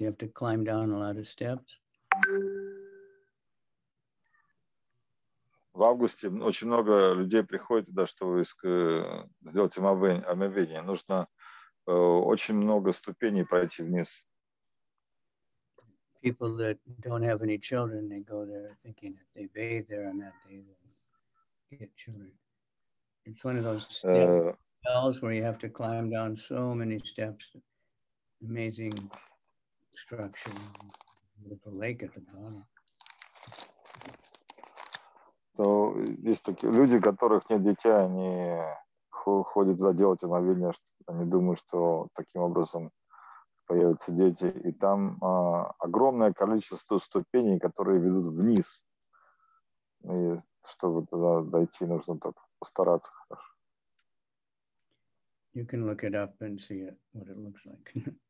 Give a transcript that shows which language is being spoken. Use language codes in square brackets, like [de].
[en] You have to climb down a lot of steps. [ru] В августе очень много людей приходит туда, чтобы сделать омовение. Нужно очень много ступеней пройти вниз. [en] People that don't have any children, they go there thinking if they bathe there on that day. get children. It's one of those bells where you have to climb down so many steps. Amazing structure. Beautiful lake at the bottom. [ru] То есть такие люди, у которых нет детей, они ходят туда делать омовение, они думают, что таким образом появятся дети. И там огромное количество ступеней, которые ведут вниз. И чтобы туда дойти, нужно так постараться хорошо. [en] You can look it up and see what it looks like.